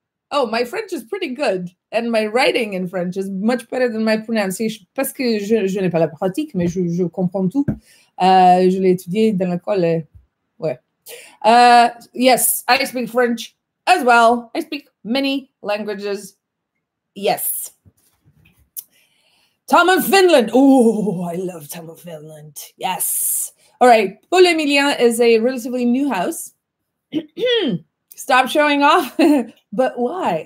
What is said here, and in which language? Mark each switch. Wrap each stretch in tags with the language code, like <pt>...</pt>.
<en>Oh, my French is pretty good. And my writing in French is much better than my pronunciation.</en> <fr>Parce que je n'ai pas la pratique, mais je comprends tout. Je l'ai étudié dans l'école. Ouais.</fr> <en>Yes, I speak French as well. I speak many languages. Yes. Tom of Finland. Oh, I love Tom of Finland. Yes. All right. Paul Emilien is a relatively new house. Stop showing off. But why?</en>